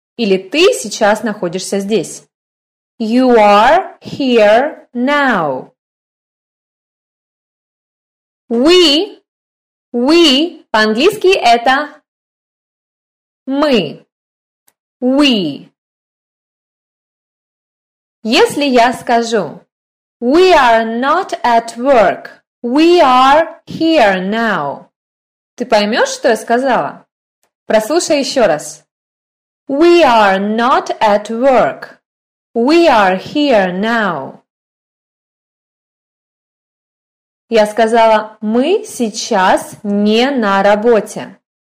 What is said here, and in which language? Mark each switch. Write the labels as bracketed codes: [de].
[ru] Или ты сейчас находишься здесь. [en] You are here now. [ru] We по-английски это мы. [en] We. [ru] Если я скажу [en] we are not at work, we are here now. [ru] Ты поймешь, что я сказала? Прослушай еще раз. [en] We are not at work. We are here now. [ru] Я сказала, мы сейчас не на работе.